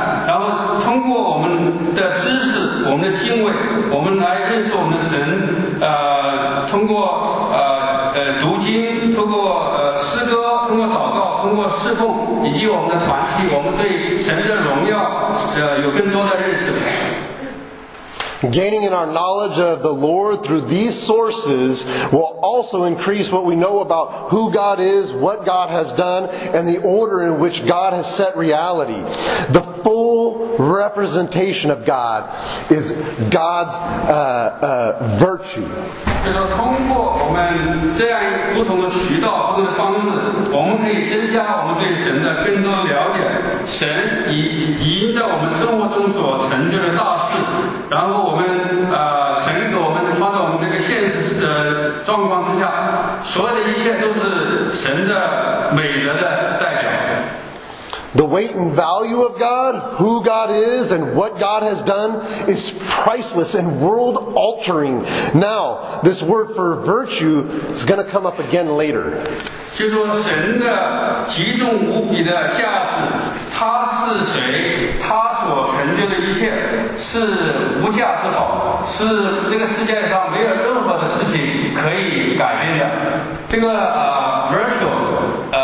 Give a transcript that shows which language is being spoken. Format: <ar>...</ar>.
<zh>然后通过我们的知识，我们的敬畏，我们来认识我们的神。通过读经，通过诗歌，通过祷告，通过侍奉，以及我们的团契，我们对神的荣耀有更多的认识。</zh> <en>Gaining in our knowledge of the Lord through these sources will also increase what we know about who God is, what God has done, and the order in which God has set reality. The full representation of God is God's virtue.</en> <zh>就是通过我们这样不同的渠道、不同的方式，我们可以增加我们对神的更多了解。神已经在我们生活中所成就的大事，然后我们神给我们放在我们这个现实的状况之下，所有的一切都是神的美德的代表。</zh> <en>The weight and value of God, who God is, and what God has done is priceless and world-altering. Now, this word for virtue is going to come up again later.</en> <zh>就是说神的极重无比的价值，他是谁，他所成就的一切是无价之宝，是这个世界上没有任何的事情可以改变的。这个virtue</zh>